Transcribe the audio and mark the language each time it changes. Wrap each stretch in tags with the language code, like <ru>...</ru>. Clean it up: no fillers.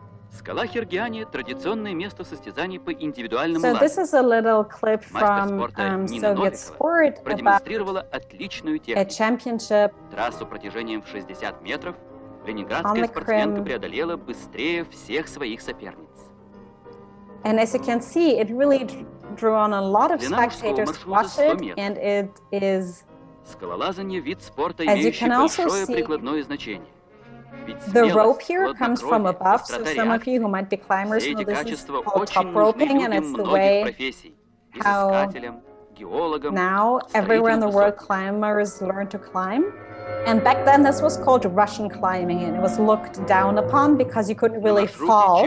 <ru>Скала Хергиани – традиционное место состязаний по индивидуальному лазеру.</ru> <en>This is a little clip from Soviet sport</en> <ru>продемонстрировала отличную технику. Трассу протяжением в 60 метров ленинградская спортсменка преодолела быстрее всех своих соперниц.</ru> <en>And as you can see, it really drew on a lot of spectators to watch it, and it is.</en> <ru>Скалолазание – вид спорта, имеющий большое прикладное значение.</ru> <en>The rope here comes from above, so some of you who might be climbers know this is called top roping, and it's the way how now everywhere in the world climbers learn to climb. And back then, this was called Russian climbing, and it was looked down upon because you couldn't really fall.</en>